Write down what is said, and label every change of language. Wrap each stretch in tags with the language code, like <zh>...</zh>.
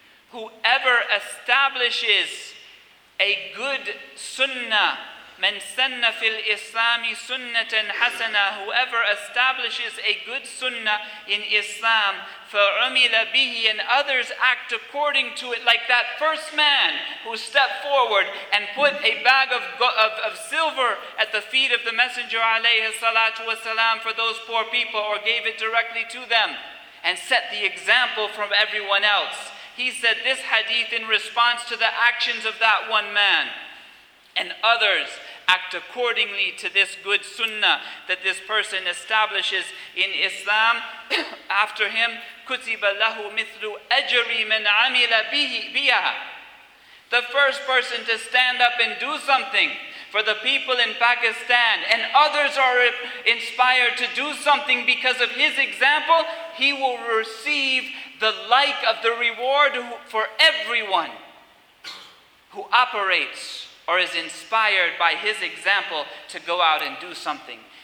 <en>"whoever establishes a good sunnah,</en> <ar>man sanna fil islami sunnatan hasana,"</ar> <en>whoever establishes a good sunnah in Islam,</en> <ar>"fa'umila bihi,"</ar> <en>and others act according to it, like that first man who stepped forward and put a bag of silver at the feet of the Messenger alayhi salatu wasalam for those poor people, or gave it directly to them and set the example from everyone else. He said this hadith in response to the actions of that one man, and others act accordingly to this good sunnah that this person establishes in Islam. After him,</en> <ar>كُتِبَ لَهُ مِثْلُ أَجْرِ مَنْ عَمِلَ بِيَهَا.</ar> <en>The first person to stand up and do something for the people in Pakistan, and others are inspired to do something because of his example, he will receive the like of the reward for everyone who operates or is inspired by his example to go out and do something.</en>